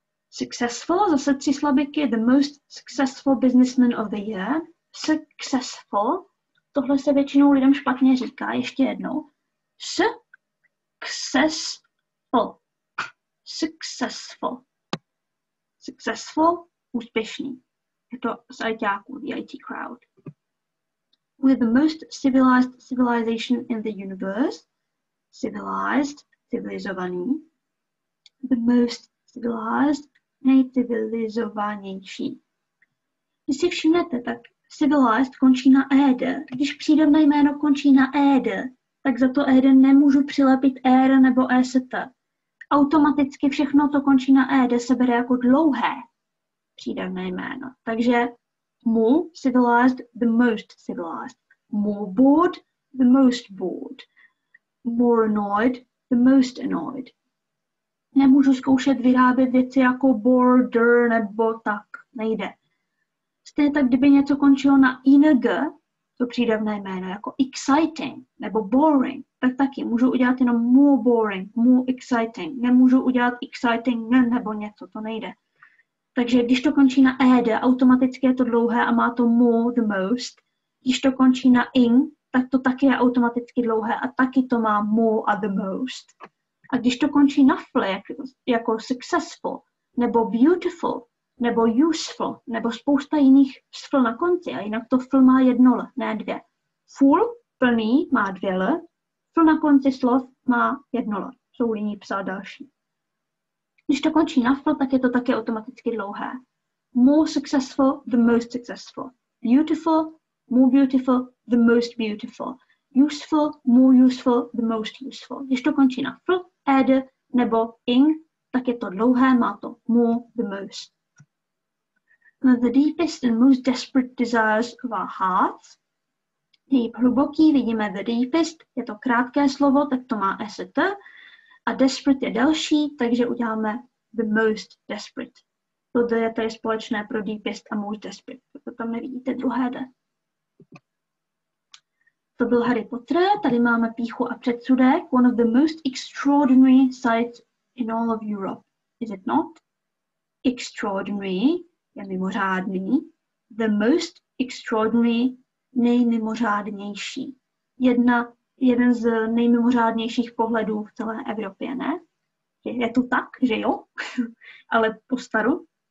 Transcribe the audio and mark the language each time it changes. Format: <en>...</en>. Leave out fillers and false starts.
<en>Successful,</en> <cs>zase tři slabiky,</cs> <en>the most successful businessman of the year.</en> <cs>Successful, tohle se většinou lidem špatně říká, ještě jednou.</cs> <en>Successful. Successful.</en> <cs>Successful, úspěšný. Je to z ITáků,</cs> <en>the IT crowd. With the most civilized civilization in the universe.</en> <cs>Civilized, civilizovaný.</cs> <en>The most civilized, nejcivilizovanější.</en> <cs>Když si všimnete, tak civilized končí na ed. Když přídavné jméno končí na ed, tak za to ed nemůžu přilepit er nebo est. Automaticky všechno to končí na ed se bere jako dlouhé přídavné jméno. Takže</cs> <en>more civilized, the most civilized. More bored, the most bored. More annoyed, the most annoyed.</en> <cs>Nemůžu zkoušet vyrábět věci jako border nebo tak. Nejde. Stejně tak, kdyby něco končilo na ing, to přídavné jméno, jako exciting nebo boring, tak taky můžu udělat jenom more boring, more exciting. Nemůžu udělat exciting nebo něco, to nejde. Takže když to končí na ed, automaticky je to dlouhé a má to more the most. Když to končí na ing, tak to taky je automaticky dlouhé a taky to má more a the most. A když to končí na fl, jako successful, nebo beautiful, nebo useful, nebo spousta jiných fl na konci, a jinak to fl má jedno l, ne dvě. Full, plný, má dvě l, fl na konci slov má jedno l, jsou líní psát další. Když to končí na fl, tak je to také automaticky dlouhé.</cs> <en>More successful, the most successful. Beautiful, more beautiful, the most beautiful. Useful, more useful, the most useful.</en> <cs>Když to končí na fl, ed nebo ing, tak je to dlouhé, má to more the most.</cs> <en>The deepest and most desperate desires of our hearts.</en> <cs>Nejhluboký, vidíme</cs> <en>the deepest,</en> <cs>je to krátké slovo, tak to má est. A desperate je delší, takže uděláme</cs> <en>the most desperate.</en> <cs>To je tady společné pro deepest a most desperate. To tam nevidíte druhé d. To byl Harry Potter, tady máme píchu a předsudek.</cs> <en>One of the most extraordinary sights in all of Europe. Is it not? Extraordinary</en> <cs>je mimořádný.</cs> <en>The most extraordinary, nejmimořádnější.</en> <cs>Jeden z nejmimořádnějších pohledů v celé Evropě, ne? Je to tak, že jo? Ale po staru.</cs>